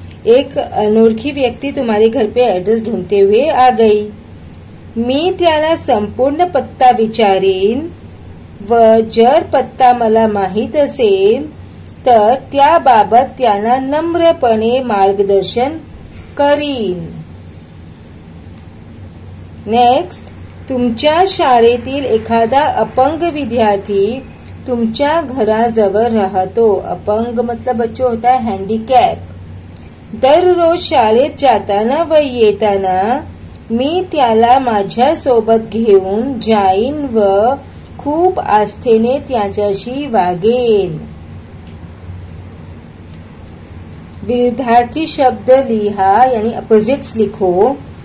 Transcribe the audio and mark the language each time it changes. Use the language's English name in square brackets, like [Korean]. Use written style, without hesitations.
[Hindi] एक अनोळखी व्यक्ती तुम्हारे घर पे ऍड्रेस ढूंढते हुए आ गई, [Marathi] मी त्याला संपूर्ण पत्ता विचारीन व जर पत्ता मला माहित असेल तर त्या बाबत त्याला नम्रपणे मार्गदर्शन करीन। नेक्स्ट तुमच्या शाळेतील एखादा अपंग विद्यार्थी तुमच्या घराजवळ राहतो। [Hindi] अपंग मतलब बच्चों होता है हैंडीकैप। [Marathi] दररोज शाळेत जाताना व येताना मी त्याला माझ्या सोबत घेऊन जाईन व खूप आस्थेने त्याच्याशी वागेन। विरुद्धार्थी शब्द लिहा [Hindi] यानी अपोजिट्स लिखो।